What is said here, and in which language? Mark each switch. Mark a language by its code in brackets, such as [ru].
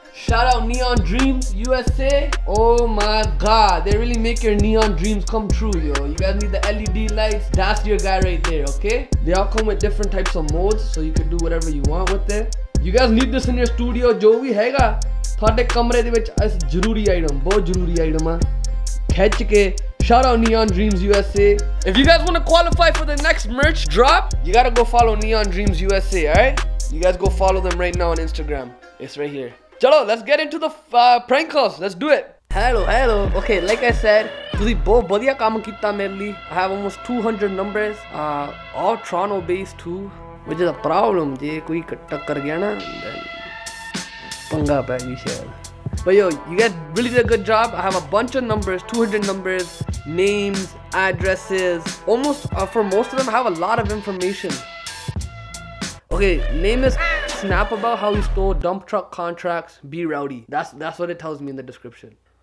[en] Shout out Neon Dreams USA. Oh my God, they really make your neon dreams come true, yo. You guys need the LED lights. That's your guy right there, okay? They all come with different types of modes, so you can do whatever you want with it. You guys need this in your studio, [pa] ਜੋ ਭੀ ਹੈਗਾ. ਤੁਹਾਡੇ ਕਮਰੇ ਦੇ ਵਿੱਚ ਇਸ ਜ਼ਰੂਰੀ item, ਬਹੁਤ ਜ਼ਰੂਰੀ ਆਈਟਮ ਆ, ਖਿੱਚ ਕੇ। [en] Shout out Neon Dreams USA. If you guys want to qualify for the next merch drop, you gotta go follow Neon Dreams USA, alright? You guys go follow them right now on Instagram. It's right here. Chalo, let's get into the prank calls. Let's do it. Hello, hello. Okay, like I said, [pa] ਤੁਸੀ ਬਹੁਤ ਬਢੀਆ ਕਾਮ ਕੀਤਾ ਮੇਰੇ ਲਈ. [en] I have almost 200 numbers, all Toronto based too. Which is a problem, [pa] ਜੇ ਕੋਈ ਟੱਕਰ ਗਿਆ ਨਾ, [en] then [pa] ਪੰਗਾ ਪੈ ਗਈ ਸ਼ਾਇਦ. [en] But yo, you guys really did a good job. I have a bunch of numbers, 200 numbers, names, addresses. Almost, for most of them, I have a lot of information. Okay, name is Snap about how he stole dump truck contracts. Be rowdy. That's what it tells me in the description.